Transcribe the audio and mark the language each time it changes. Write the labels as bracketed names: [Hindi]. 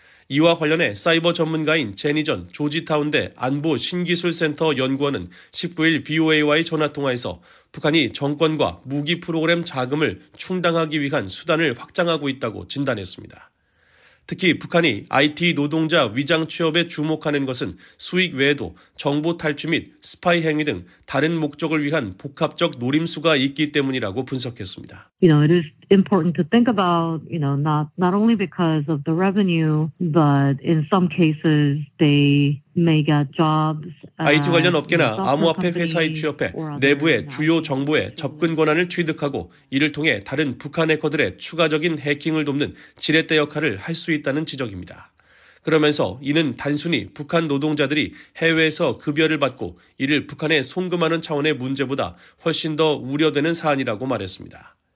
[Korean] 이와 관련해 사이버 전문가인 제니전 조지타운대 안보 신기술센터 연구원은 19일 VOA와의 전화통화에서 북한이 정권과 무기 프로그램 자금을 충당하기 위한 수단을 확장하고 있다고 진단했습니다. 특히 북한이 IT 노동자 위장 취업에 주목하는 것은 수익 외에도 정보 탈취 및 스파이 행위 등 다른 목적을 위한 복합적 노림수가 있기 때문이라고 분석했습니다. [English] You know, it is important to think about, you know, not only because of the revenue, but in some cases they may get jobs. [Korean] IT 관련 업계나 암호화폐 회사에 취업해 내부의 주요 정보에 접근 권한을 취득하고 이를 통해 다른 북한 해커들의 추가적인 해킹을 돕는 지렛대 역할을 할 수 있다는 지적입니다. 그러면서 이는 단순히 북한 노동자들이 해외에서 급여를 받고 이를 북한에 송금하는 차원의 문제보다 훨씬 더 우려되는 사안이라고 말했습니다.